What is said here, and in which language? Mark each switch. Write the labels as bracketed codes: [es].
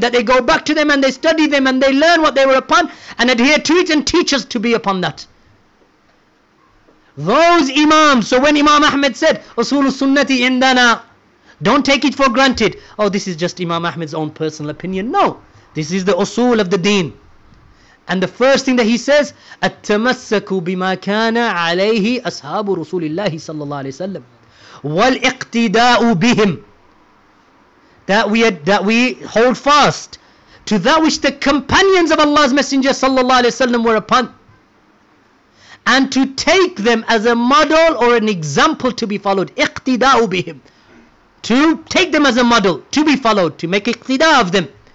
[en] That they go back to them and they study them and they learn what they were upon and adhere to it and teach us to be upon that. Those imams. So when Imam Ahmed said, [ar] Usulul Sunnati indana, [en] don't take it for granted. Oh, this is just Imam Ahmed's own personal opinion. No. This is the usul of the deen. And the first thing that he says, [ar] "التمسكوا بما كان عليه أصحاب رسول الله صلى الله عليه وسلم والاقتداء بهم." [en] That we hold fast to that which the companions of Allah's Messenger sallallahu alaihi wasallam were upon, and to take them as a model or an example to be followed. [ar] Iqtida'u bihim, [en] to take them as a model to be followed, to make iqtida of them.